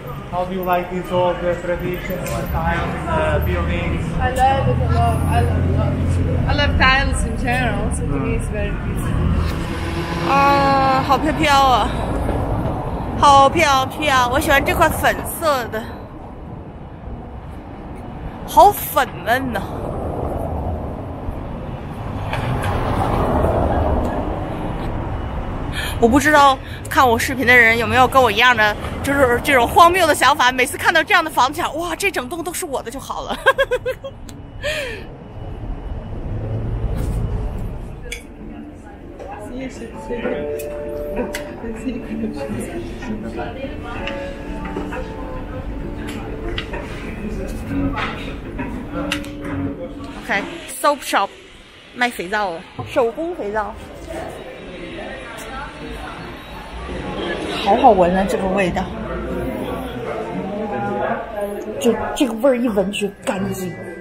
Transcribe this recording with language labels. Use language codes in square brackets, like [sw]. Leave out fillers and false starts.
[en] How do you like this old traditional tiles in the buildings? I love it a lot. I love tiles in general, so to me it's very beautiful. [zh] 好飘飘啊，好飘飘，我喜欢这块粉色的，好粉嫩呐。我不知道看我视频的人有没有跟我一样的，就是这种荒谬的想法。每次看到这样的房产，哇，这整栋都是我的就好了。 OK, soap shop, 卖肥皂了，手工肥皂。好好闻啊，这个味道，就这个味儿一闻就干净。